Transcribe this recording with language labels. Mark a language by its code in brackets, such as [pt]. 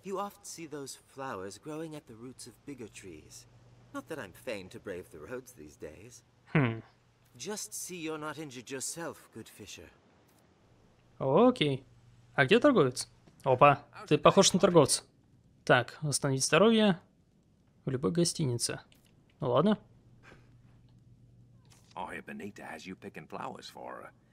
[en] You often see those flowers growing at the roots of bigger trees. Not that I'm fain to brave the roads these days. Hmm. Just see you're not injured yourself, good fisher. [ru] Окей. А где торговец? Опа, ты похож на торговца. Так, восстановить здоровье в любой гостинице. Ну ладно. [en] Oh, Benita has you picking flowers for her.